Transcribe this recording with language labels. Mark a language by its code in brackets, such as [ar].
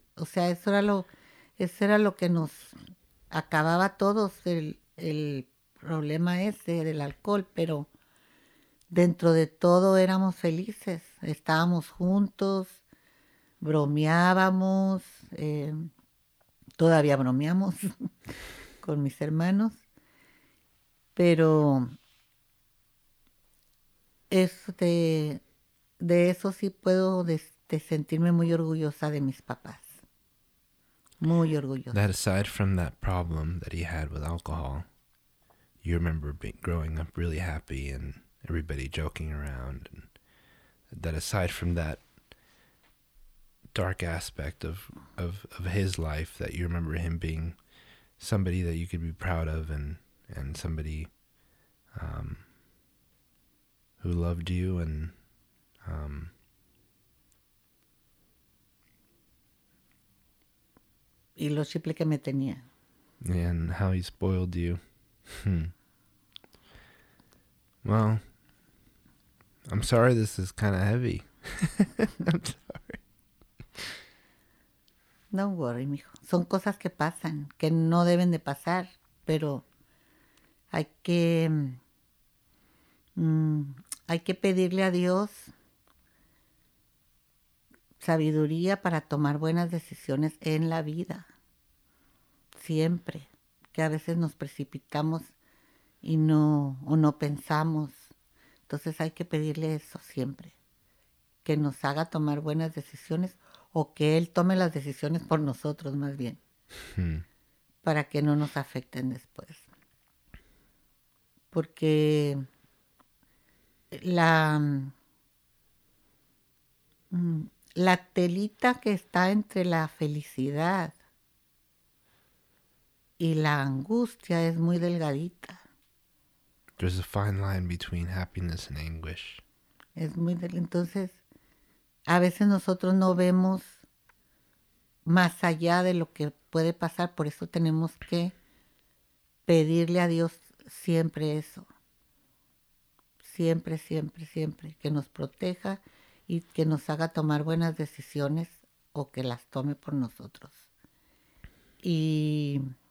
[es] O sea, eso era lo que nos acababa a todos, el problema ese del alcohol, pero dentro de todo éramos felices, estábamos juntos, bromeábamos, todavía bromeamos con mis hermanos, pero de eso sí puedo de sentirme muy orgullosa de mis papás. Muy orgulloso. [en] That aside from that problem that he had with alcohol, you remember growing up really happy and everybody joking around. And that aside from that dark aspect of his life, that you remember him being somebody that you could be proud of and somebody who loved you and... [es] Y lo simple que me tenía. [en] And how he spoiled you. Well, I'm sorry this is kind of heavy. I'm sorry. Don't worry, mijo. [es] Son cosas que pasan, que no deben de pasar, pero hay que pedirle a Dios sabiduría para tomar buenas decisiones en la vida. Siempre, que a veces nos precipitamos y no, o no pensamos. Entonces hay que pedirle eso siempre, que nos haga tomar buenas decisiones o que él tome las decisiones por nosotros más bien, para que no nos afecten después. Porque la telita que está entre la felicidad y la angustia es muy delgadita. [en] There's a fine line between happiness and anguish. [es] Es muy entonces, a veces nosotros no vemos más allá de lo que puede pasar, por eso tenemos que pedirle a Dios siempre eso. Siempre, siempre, siempre. Que nos proteja y que nos haga tomar buenas decisiones o que las tome por nosotros. Y...